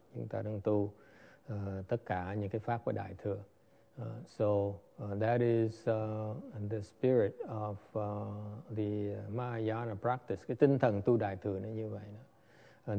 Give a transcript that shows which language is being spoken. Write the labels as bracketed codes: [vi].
[vi] Chúng ta đang tu tất cả những cái pháp của Đại Thừa. [en] So that is the spirit of the Mahayana practice. [vi] Cái tinh thần tu Đại Thừa nó như vậy.